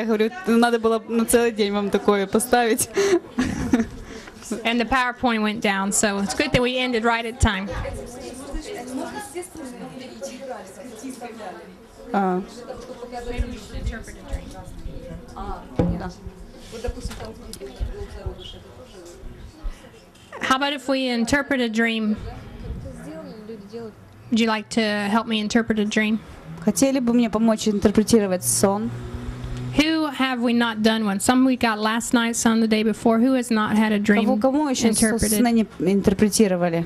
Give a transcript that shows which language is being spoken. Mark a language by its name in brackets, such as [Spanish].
[Russian] Я говорю, надо было на целый день вам такое поставить. [English] And the PowerPoint went down, so it's good that we ended right at time. How about if we interpret a dream? Would you like to help me interpret a dream? [Russian] Хотели бы мне помочь интерпретировать сон? [English] Who have we not done one? Some we got last night, some the day before. Who has not had a dream interpreted? [Russian] Кого еще сны не интерпретировали?